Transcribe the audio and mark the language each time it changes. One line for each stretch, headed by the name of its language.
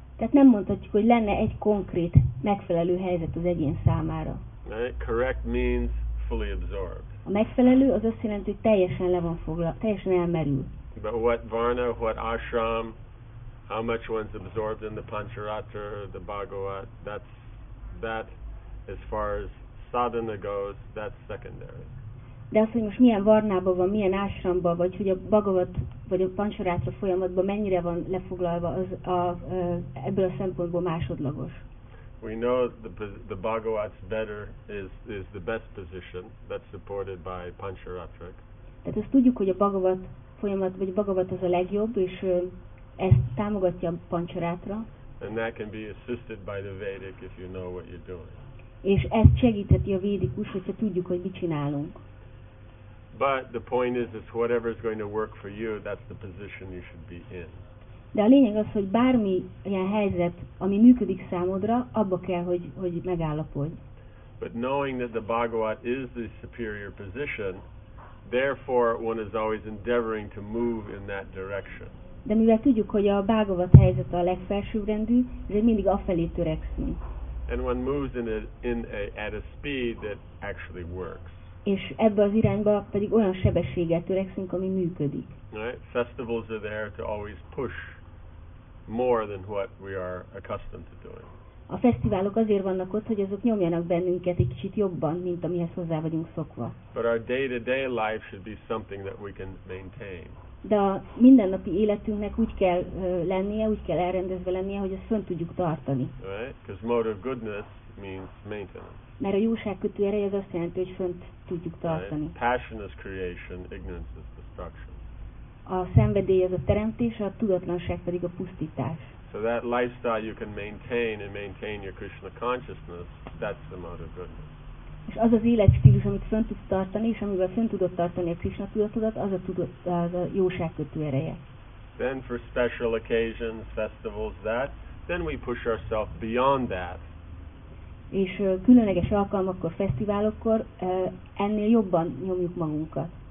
Hungarian: Tehát nem mondhatjuk, hogy lenne egy konkrét megfelelő helyzet az egyén számára.
English: Right? Correct means fully absorbed.
Hungarian: A megfelelő az azt jelenti, hogy teljesen le van foglalva, teljesen elmerül.
English: But what varna, what ashram, how much one's absorbed in the Pancharatra, the Bhagavat, that as far as sadhana goes, that's secondary.
Hungarian: De az, hogy most milyen varnában van, milyen ásramban, vagy hogy a Bhagavat vagy a Pancharatra folyamatban mennyire van lefoglalva, az ebből a szempontból másodlagos.
English: We know the Bhagavat's better is the best position that's supported by Pancharatra.
Hungarian: Tehát azt tudjuk, hogy a Bhagavat folyamat, vagy a Bhagavat az a legjobb, és ezt támogatja a Pancharatra.
English: And that can be assisted by the Vedic if you know what you're doing.
Hungarian: És ezt segítheti a védikus, hogyha tudjuk, hogy mit csinálunk.
English: But the point is whatever is going to work for you, that's the position you should be in.
Hungarian: De a lényeg az, hogy bármi ilyen helyzet, ami működik számodra, abba kell, hogy megállapodj.
English: But knowing that the Bhagavat is the superior position, therefore one is always endeavoring to move in that direction.
Hungarian: De mivel tudjuk, hogy a Bhagavat helyzet a legfelsőbbrendű, ezért mindig afelé törekszünk.
English: And one moves at a speed that actually works.
Hungarian: És ebbe az irányba pedig olyan sebességgel törekszünk, ami működik.
English: Right? Festivals are there to always push more than what we are accustomed to doing.
Hungarian: A fesztiválok azért vannak ott, hogy azok nyomjanak bennünket egy kicsit jobban, mint amihez hozzá vagyunk szokva.
English: But our day-to-day life should be something that we can maintain.
Hungarian: De a mindennapi életünknek úgy kell lennie, úgy kell elrendezve lennie, hogy ezt fönn tudjuk tartani.
English: Right? Because motive goodness means maintenance.
Hungarian: Mert a jóság kötő ereje az azt jelenti, hogy fönt tudjuk tartani.
English: Right? Passion is creation, ignorance is destruction.
Hungarian: A szenvedély az a teremtés, a tudatlanság pedig a pusztítás.
English: So that lifestyle you can maintain and maintain your Krishna consciousness, that's the motive goodness.
Hungarian: És az az életstílus, amit fönn tudsz tartani, és amivel fönn tudod tartani a Krishna tudatodat, az a jóság kötő ereje.
English: Then for special occasions, festivals, that, then we push ourselves beyond that.
Hungarian: És különleges alkalmakkor, fesztiválokkor ennél jobban nyomjuk magunkat.